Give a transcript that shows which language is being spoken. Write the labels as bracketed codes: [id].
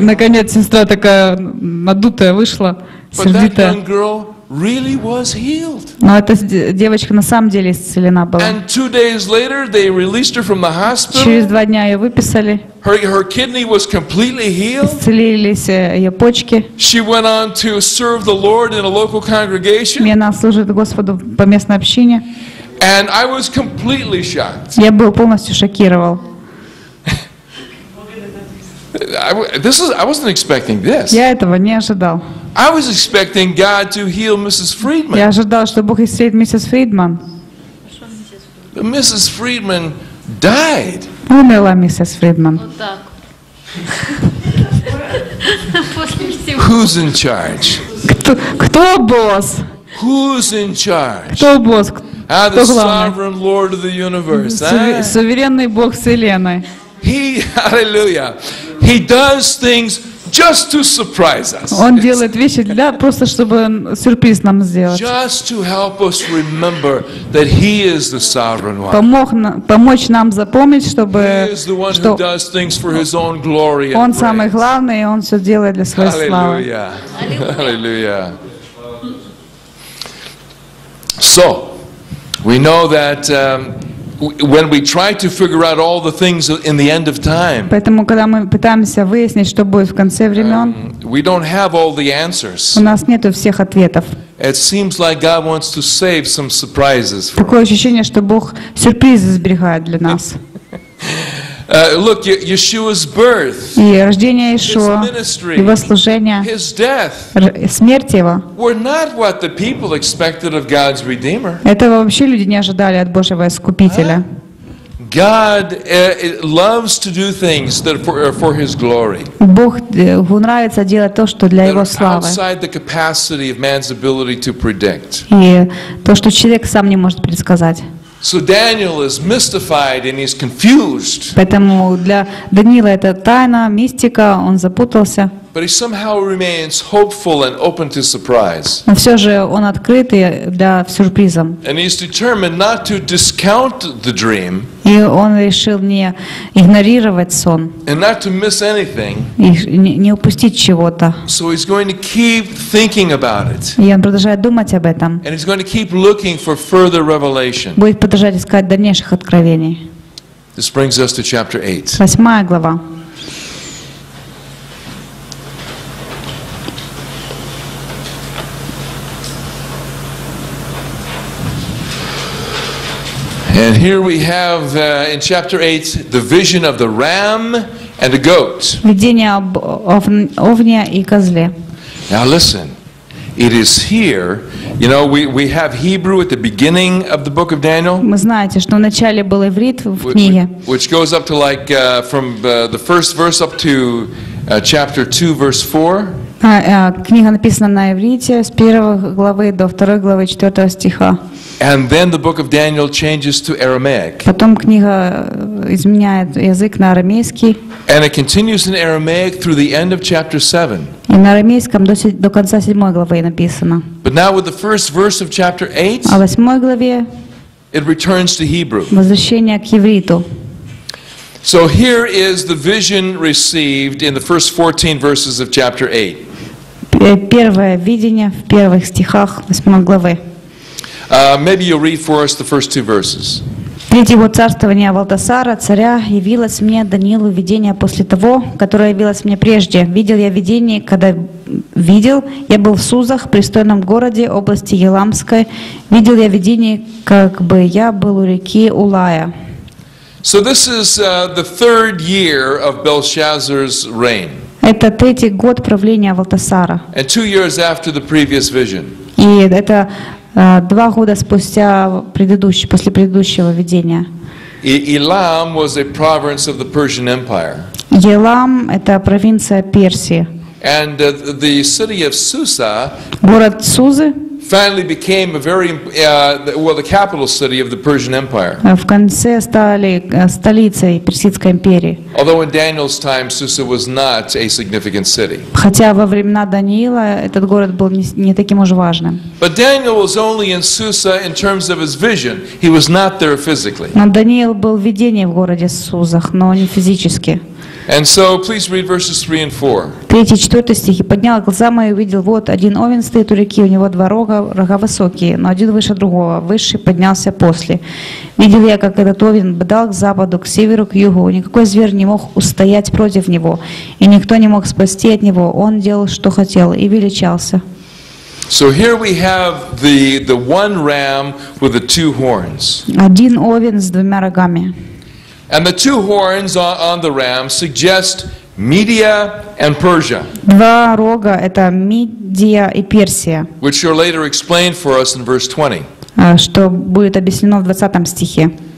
[ru] Наконец сестра такая надутая вышла, сердитая. [en] But that young girl really was healed. [ru] Но эта девочка на самом деле исцелена была. [en] And 2 days later, they released her from the hospital. [ru] Через два дня ее выписали. [en] Her kidney was completely healed. [ru] Исцелились ее почки. [en] She went on to serve the Lord in a local congregation. [ru] И она служит Господу по местной общине. [en] And I was completely shocked. [ru] Я был полностью шокировал. [en] I wasn't expecting this. [ru] Я этого не ожидал. [en] I was expecting God to heal Mrs. Friedman. [ru] Я ожидал, что Бог исцелит миссис Фридман. [en] But Mrs. Friedman died. [ru] Умерла миссис Фридман. Вот так. [en] Who's in charge? [ru] Кто босс? [en] Who's in charge? [ru] Кто босс? [en] The sovereign Lord of the universe. [ru] Суверенный Бог вселенной. [en] Hallelujah. He does things just to surprise us. [ru] Он делает вещи для просто чтобы сюрприз нам сделать. [en] Just to help us remember that he is the sovereign one. [ru] Помочь нам запомнить, чтобы что [en] he does things for his own glory. [ru] Он самый главный, и он всё делает для своей славы. [en] Hallelujah. So, we know that when we try to figure out all the things in the end of time, [ru] поэтому когда мы пытаемся выяснить, что будет в конце времен, [en] we don't have all the answers. [ru] У нас нету всех ответов. [en] It seems like God wants to save some surprises for us. [ru] Такое ощущение, что Бог сюрпризы сберегает для нас. [en] Look, Yeshua's birth, [ru] и рождение Иешуа, его служение, [en] his death, [ru] смерть его, [en] were not what the people expected of God's Redeemer. [ru] Этого вообще люди не ожидали от Божьего Искупителя. [en] God loves to do things that for His glory. [ru] Бог нравится делать то, что для Его славы. [en] Outside the capacity of man's ability to predict. [ru] И то, что человек сам не может предсказать. [en] So Daniel is mystified and he's confused. [ru] Поэтому для Даниила это тайна, мистика, он запутался. [en] But he somehow remains hopeful and open to surprise. [ru] Но все же он открыт для сюрпризов. [en] And he's determined not to discount the dream. [ru] И он решил не игнорировать сон. [en] And not to miss anything. [ru] И не упустить чего-то. [en] So he's going to keep thinking about it. [ru] И он продолжает думать об этом. [en] And he's going to keep looking for further revelation. [ru] Будет продолжать искать дальнейших откровений. [en] This brings us to chapter 8. [ru] Восьмая глава. [en] And here we have in chapter 8 the vision of the ram and the goat. [ru] Видение овня и козле. [en] Now listen, it is here. You know, we have Hebrew at the beginning of the book of Daniel. [ru] Мы знаете, что в начале был иврит в книге. [en] Which goes up to like from the first verse up to chapter 2 verse 4. [ru] Книга написана на иврите с первой главы до второй главы четвертого стиха. [en] And then the book of Daniel changes to Aramaic. [ru] Потом книга изменяет язык на арамейский. [en] And it continues in Aramaic through the end of chapter 7. [ru] И на арамейском до конца седьмой главы написано. [en] But now with the first verse of chapter 8. [ru] А восьмой главе. [en] It returns to Hebrew. [ru] Возвращение к ивриту. [en] So here is the vision received in the first 14 verses of chapter 8. [ru] Первое видение в первых стихах восьмой главы. [en] Maybe you'll read for us the first two verses. [ru] Третьего царствования Валтасара, царя, явилось мне Даниилу видение после того, которое явилось мне прежде. Видел я видение, когда видел, я был в Сузах, престольном городе области Еламской. Видел я видение, как бы я был у реки Улая. [en] So this is the third year of Belshazzar's reign. [ru] Это третий год правления Валтасара. [en] And 2 years after the previous vision. [ru] И это два года спустя после предыдущего видения. [en] Elam was a province of the Persian Empire. [ru] Елам — это провинция Персии. [en] And the city of Susa. [ru] Город Сузы. [en] Finally became a very well the capital city of the Persian Empire. [ru] В конце стали столицей Персидской империи. [en] Although in Daniel's time Susa was not a significant city. [ru] Хотя во времена Даниила этот город был не таким уж важным. [en] But Daniel was only in Susa in terms of his vision. He was not there physically. [ru] Но Даниил был в видении в городе Сузах, но не физически. [en] And so, please read verses 3 and 4. [ru] 3-4 стихи. Поднял глаза мои и увидел, вот один овен стоит у реки, у него два рога, рога высокие, но один выше другого, высший поднялся после. Видел я, как этот овен бдал к западу, к северу, к югу, никакой зверь не мог устоять против него, и никто не мог спасти от него, он делал, что хотел, и величался. [en] So here we have the one ram with the two horns. [ru] Один овен с двумя рогами. [en] And the two horns on the ram suggest Media and Persia. [ru] Два рога — это Мидия и Персия. [en] Which are later explained for us in verse 20. [ru] Что будет объяснено в 20 стихе.